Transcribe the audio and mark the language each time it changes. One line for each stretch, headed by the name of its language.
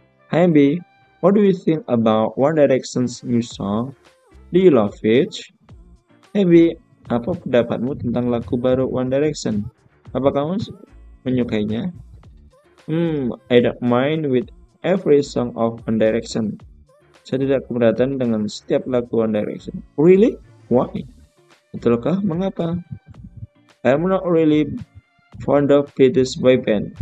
English: Hi B, what do you think about One Direction's new song? Do you love it?
Indonesian: Hey B, apa pendapatmu tentang lagu baru One Direction? Apa kamu menyukainya?
English: I don't mind with every song of One Direction.
Indonesian: Saya tidak keberatan dengan setiap lagu One Direction.
English: Really? Why?
Indonesian: Betulkah? Mengapa?
English: I'm not really fond of BTS boy band.